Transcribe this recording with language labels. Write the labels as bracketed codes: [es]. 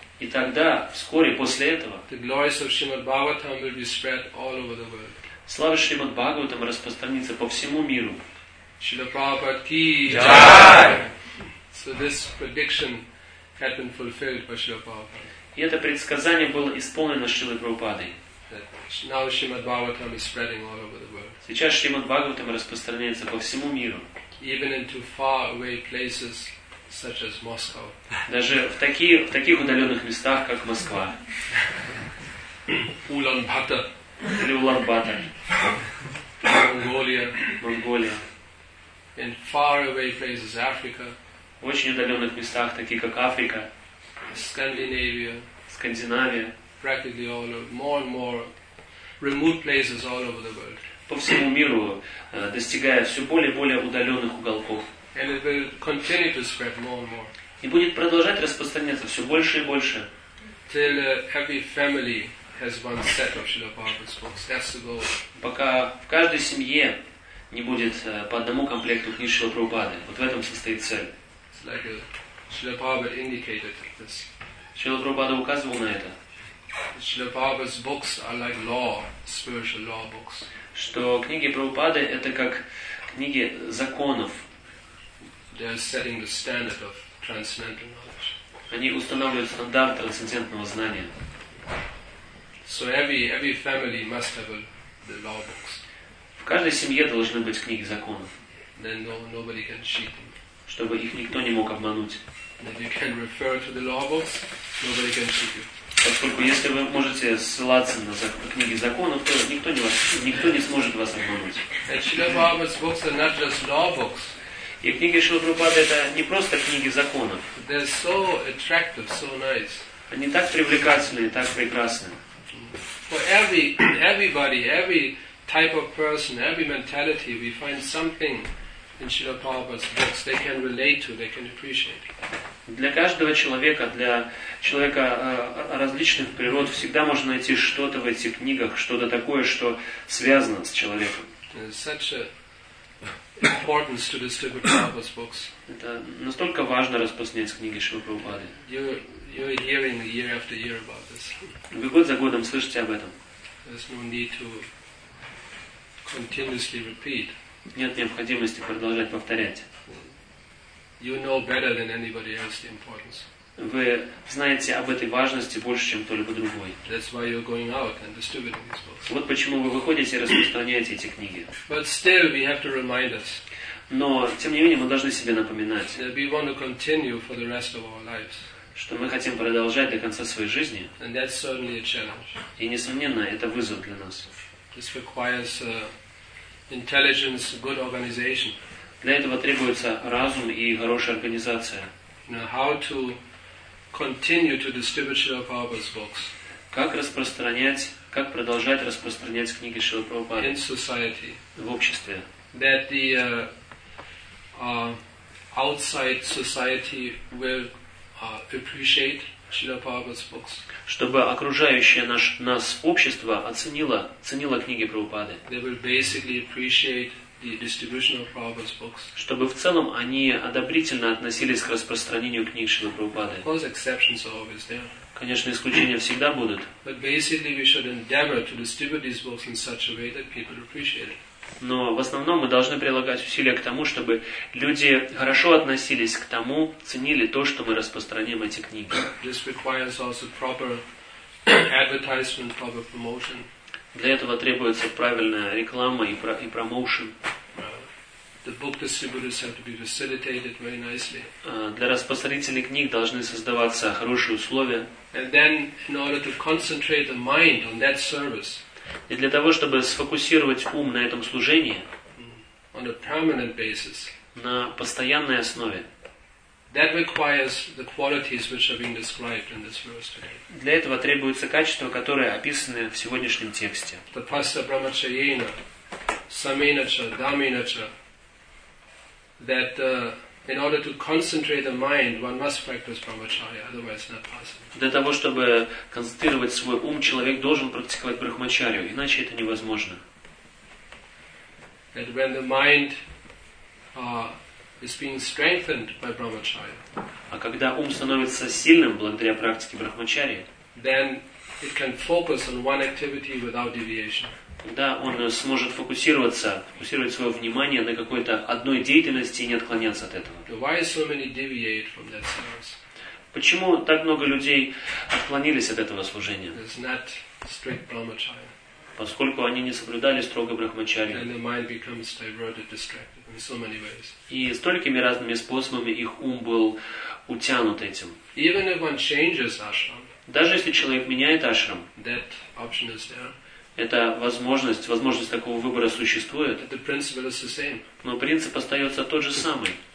[ru] и тогда, вскоре после этого, [en] the glories of Srimad Bhagavatam will be spread all over the world. [ru] Слава Шримад Бхагаватам распространится по всему миру. [hi] Srila Prabhupada ki jai! [en] So this prediction had been fulfilled by Srila Prabhupada. [ru] И это предсказание было исполнено Шрилой Прабхупадой. [en] Now Shrimad Bhagavatam is spreading all over the world. [ru] Сейчас Шримад Бхагаватам распространяется по всему миру. [en] Even into far away places such as Moscow. [ru] Даже в таких удаленных местах, как Москва. Улан-Батор. Или Улан-Батор. Монголия. Монголия. [en] In far away places, Africa. [ru] В очень удаленных местах, таких как Африка. [en] Scandinavia. [ru] Скандинавия. [en] Practically all over, more and more remote places all over the world. [ru] По всему миру, достигая все более и более удаленных уголков. [en] And it will continue to spread more and more. [ru] И будет продолжать распространяться все больше и больше. [en] Till every family has one set of Srila Prabhupada's books. That's the goal. [ru] Пока в каждой семье не будет по одному комплекту книг Шрилы Прабхупады. Вот в этом состоит цель. [en] It's like Srila Prabhupada indicated this. [ru] Шрила Прабхупада указывал на это. [en] Srila Prabhupada's books are like law, spiritual law books. [ru] Что книги Прабхупады это как книги законов. [en] They are setting the standard of transcendental knowledge. [ru] Они устанавливают стандарт трансцендентного знания. [en] So every family must have the law books. [ru] В каждой семье должны быть книги законов. [en] Then nobody can cheat them. [ru] Чтобы их никто не мог обмануть. [en] If you can refer to the law books, nobody can cheat you. [ru] Поскольку если вы можете ссылаться на книги законов, то никто не сможет вас обмануть. [en] And Srila Prabhupada's books are not just law books. [ru] И книги Шрилы Прабхупады это не просто книги законов. [en] They're so attractive, so nice. [ru] Они так привлекательны, так прекрасны. [en] For everybody, every type of person, every mentality, we find something in Srila Prabhupada's books they can relate to, they can appreciate. [ru] Для каждого человека, для человека различных природ, всегда можно найти что-то в этих книгах, что-то такое, что связано с человеком. [en] Importance to distribute Prabhupada's books. [ru] Это настолько важно распространять книги Шрилы Прабхупады. [en] You're hearing year after year about this. [ru] Вы год за годом слышите об этом. [en] There's no need to continuously repeat. [ru] Нет необходимости продолжать повторять. [en] You know better than anybody else the importance. [ru] Вы знаете об этой важности больше, чем кто-либо другой. [en] That's why you're going out and distributing these books. [ru] Вот почему вы выходите и распространяете эти книги. [en] But still we have to remind us. [ru] Но, тем не менее, мы должны себе напоминать, [en] that we want to continue for the rest of our lives. [ru] Что мы хотим продолжать до конца своей жизни. [en] And that's certainly a challenge. [ru] И, несомненно, это вызов для нас. [en] This requires intelligence, good organization. [ru] Для этого требуется разум и хорошая организация. [en] Now, how to continue to distribute Srila Prabhupada's books? [ru] Как распространять, как продолжать распространять книги Шрилы Прабхупады? [en] In society. [ru] В обществе. [en] That the outside society will appreciate Srila Prabhupada's books. [ru] Чтобы окружающее нас общество оценило книги Прабхупады. [en] They will basically appreciate the distribution of Prabhupada's books. [ru] Чтобы в целом они одобрительно относились к распространению книг Шрилы Прабхупады. [en] Of course, exceptions are always there. [ru] Конечно, исключения всегда будут. [en] But basically, we should endeavor to distribute these books in such a way that people appreciate it. [ru] Но в основном мы должны прилагать усилия к тому, чтобы люди хорошо относились к тому, ценили то, что мы распространим эти книги. [en] This requires also proper advertisement, proper promotion. [ru] Для этого требуется правильная реклама и промоушен. [en] The book distributors have to be facilitated very nicely. [ru] Для распространителей книг должны создаваться хорошие условия. [en] And then, in order to concentrate the mind on that service. [ru] И для того, чтобы сфокусировать ум на этом служении. [en] On a permanent basis. [ru] На постоянной основе. [en] That requires the qualities which are being described in this verse today. [ru] Для этого требуется качество, которое описано в сегодняшнем тексте. [sa] Tapasya brahmacharyena, samenacha, dhammenacha. [en] That in order to concentrate the mind, one must practice brahmacharya, otherwise not possible. [ru] Для того, чтобы концентрировать свой ум, человек должен практиковать брахмачарию, иначе это невозможно. [en] That when the mind is being strengthened by brahmacharya. [ru] А когда ум становится сильным благодаря практике брахмачарьи, [en] then it can focus on one activity without deviation. [ru] Тогда он сможет фокусировать свое внимание на какой-то одной деятельности и не отклоняться от этого. [en] Why so many deviate from that service? [ru] Почему так много людей отклонились от этого служения? [en] It's not strict brahmacharya. [ru] Поскольку они не соблюдали строго брахмачарию. [en] And the mind becomes diverted, distracted in so many ways. [ru] И столькими разными способами их ум был утянут этим. [en] Even if one changes ashram, [ru] даже если человек меняет ашрам, [en] that option is there. [ru] Это возможность такого выбора существует. [en] The principle is the same. [ru] Но принцип остается тот же самый.